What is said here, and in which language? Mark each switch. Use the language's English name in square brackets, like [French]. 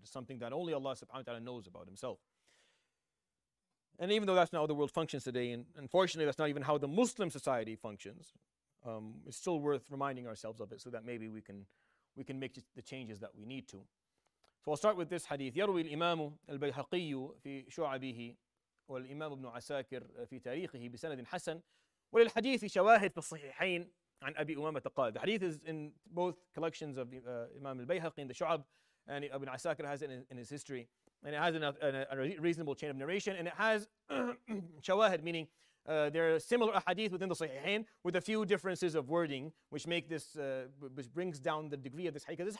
[English] It's something that only Allah subhanahu wa ta'ala knows about himself. And even though that's not how the world functions today, and unfortunately that's not even how the Muslim society functions, it's still worth reminding ourselves of it so that maybe we can make the changes that we need to. So I'll start with this hadith. [Arabic] يروي الإمام البيهقي في شعبه والإمام ابن عساكر في تاريخه بسند حسن وللحديث شواهد في الصحيحين عن أبي أمامة قال. [English] The hadith is in both collections of Imam al-Bayhaqi in the Shu'ab, and Ibn Asakir has it in his history, and it has a reasonable chain of narration, and it has shawahid, meaning there are similar hadith within the Sahihain with a few differences of wording, which make this which brings down the degree of this hadith.